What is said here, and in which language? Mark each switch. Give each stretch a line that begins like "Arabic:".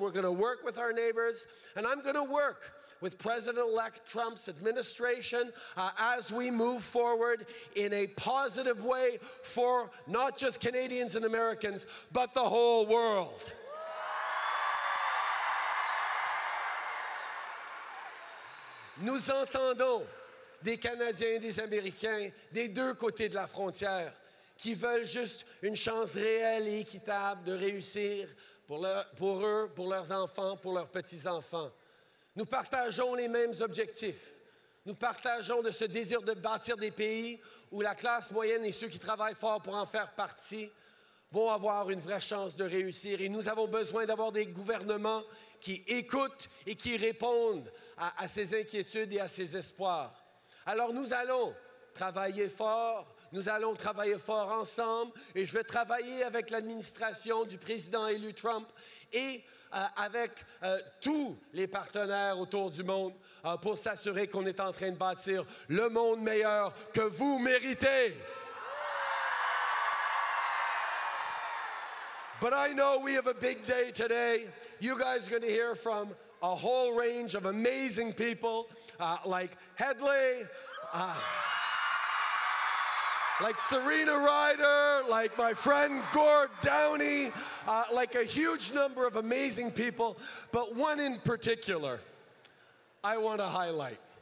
English: We're going to work with our neighbors, and I'm going to work with President-elect Trump's administration as we move forward in a positive way for not just Canadians and Americans, but the whole world.
French: Nous entendons des Canadiens et des Américains des deux côtés de la frontière qui veulent juste une chance réelle et équitable de réussir pour eux, pour leurs enfants, pour leurs petits-enfants. Nous partageons les mêmes objectifs. Nous partageons de ce désir de bâtir des pays où la classe moyenne et ceux qui travaillent fort pour en faire partie vont avoir une vraie chance de réussir. Et nous avons besoin d'avoir des gouvernements qui écoutent et qui répondent à ces inquiétudes et à ces espoirs. Alors nous allons travailler fort, nous allons travailler fort ensemble, et je vais travailler avec l'administration du président élu Trump et avec tous les partenaires autour du monde pour s'assurer qu'on est en train de bâtir le monde meilleur que vous méritez.
English: But I know we have a big day today. You guys are going to hear from a whole range of amazing people, like Hedley, like Serena Ryder, like my friend Gord Downie, like a huge number of amazing people, but one in particular I want to highlight.